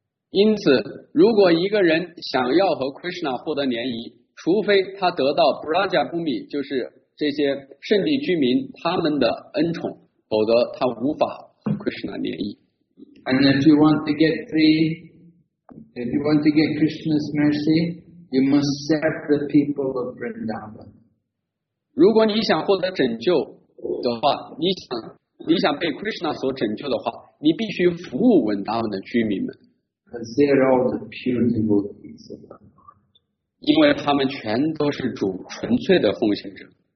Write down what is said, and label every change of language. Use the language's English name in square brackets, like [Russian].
[Chinese] 因此，如果一个人想要和 Krishna 获得联谊，除非他得到 Praja Bhumi， 就是这些圣地居民他们的恩宠，否则他无法和 Krishna 联谊。 [English] And if you want to get Krishna's mercy, you must serve the people of Vrindavan. [Chinese] 如果你想获得拯救的话，你想被 Krishna 所拯救的话，你必须服务文达文的居民们。 [English] Because they are all the pure devotees of the Lord. [Chinese] 因为他们全都是主纯粹的奉献者。